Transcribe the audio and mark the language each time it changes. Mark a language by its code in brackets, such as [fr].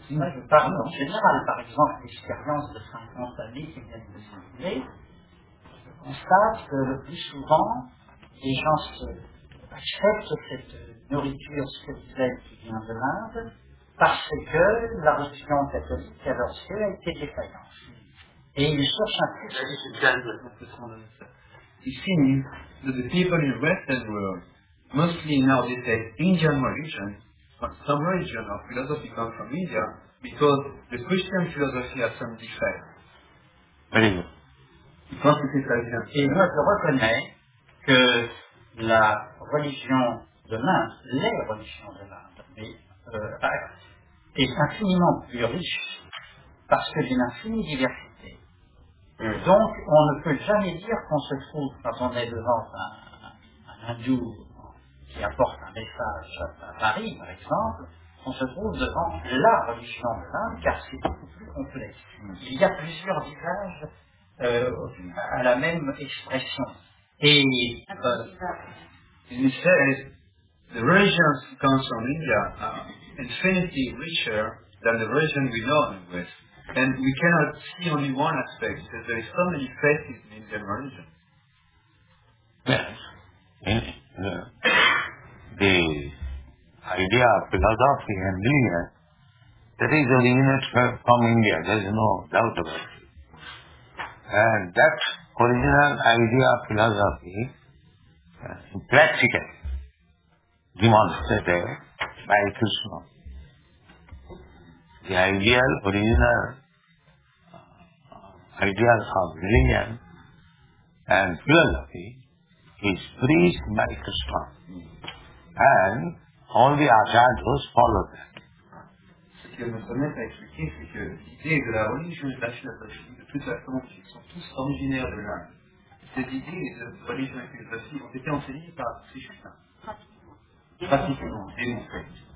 [fr] Je parle en général, par exemple, l'expérience de 50 années qui viennent de s'enlever. Je constate que le plus souvent, les gens acceptent cette nourriture spirituelle qui vient de l'Inde parce que la religion catholique, à leurs yeux, a été défaillante. Et ils cherchent un plus. [en] You see, that the people in the Western world, mostly now they say Indian religion, but some religion or philosophy comes from India, because the Christian philosophy has some defect. [fr] Et moi je reconnais que la religion de l'Inde, les religions de l'Inde, est infiniment plus riche parce que d'une infinie diversité. Donc on ne peut jamais dire qu'on se trouve quand on est devant un hindou qui apporte un message à Paris, par exemple, on se trouve devant la religion de l'Inde, car c'est beaucoup plus complexe. Il y a plusieurs visages à la même expression. [en] And he says, the religions that come from India are infinitely richer than the religion we know in the West. And we cannot see only one aspect, because there is so many faces in Indian religion. Yes. The idea of philosophy and religion, that is a unit from India, there is no doubt about it. And that original idea of philosophy, practically demonstrated by Krishna. The ideal, original ideas of religion and philosophy is preached by Krishna. And all the acharyas follow that. [fr] Que notre maître a expliqué, c'est que l'idée de la religion et de la philosophie, de toute façon, sont tous originaires de l'Inde. Cette idée de religion et de philosophie ont été enseignées par Sri Chaitanya. Pratiquement démontrées.